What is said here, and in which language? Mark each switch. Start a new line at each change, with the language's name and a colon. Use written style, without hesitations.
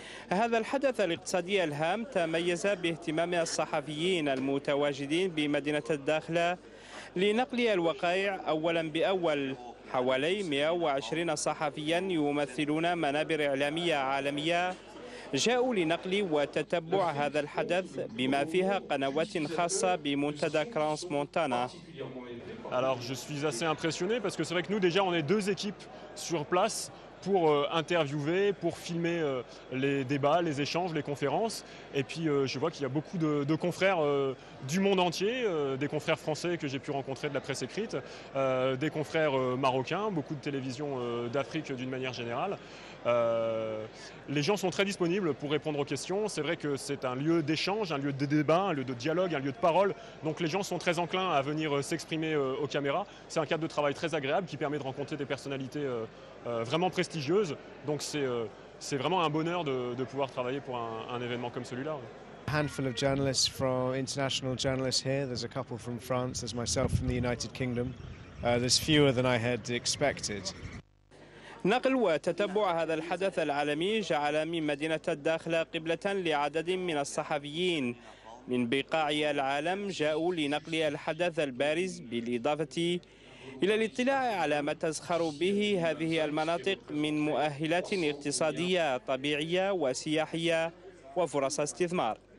Arabic: هذا الحدث الاقتصادي الهام تميز باهتمام الصحفيين المتواجدين بمدينة الداخلة لنقل الوقائع أولا بأول. حوالي 120 صحفيا يمثلون منابر إعلامية عالمية جاءوا لنقل وتتبع هذا الحدث بما فيها قنوات خاصة بمنتدى كرانس مونتانا.
French: Alors je suis assez impressionné parce que c'est vrai que nous déjà on est deux équipes sur place pour interviewer, pour filmer les débats, les échanges, les conférences. Et puis je vois qu'il y a beaucoup de confrères du monde entier, des confrères français que j'ai pu rencontrer de la presse écrite, des confrères marocains, beaucoup de télévisions d'Afrique d'une manière générale. Les gens sont très disponibles pour répondre aux questions. C'est vrai que c'est un lieu d'échange, un lieu de débat, un lieu de dialogue, un lieu de parole. Donc les gens sont très enclins à venir s'exprimer aux caméras. C'est un cadre de travail très agréable qui permet de rencontrer des personnalités vraiment prestigieuses. Donc c'est vraiment un bonheur de pouvoir travailler pour un événement comme celui-là.
English: A handful of journalists from international journalists here. There's a couple from France. There's myself from the United Kingdom. There's fewer than I had expected.
Arabic: نقل وتتبع هذا الحدث العالمي جعل من مدينة الداخلة قبلة لعدد من الصحفيين من بقاع العالم جاءوا لنقل الحدث البارز بالإضافة إلى الاطلاع على ما تزخر به هذه المناطق من مؤهلات اقتصادية طبيعية وسياحية وفرص استثمار.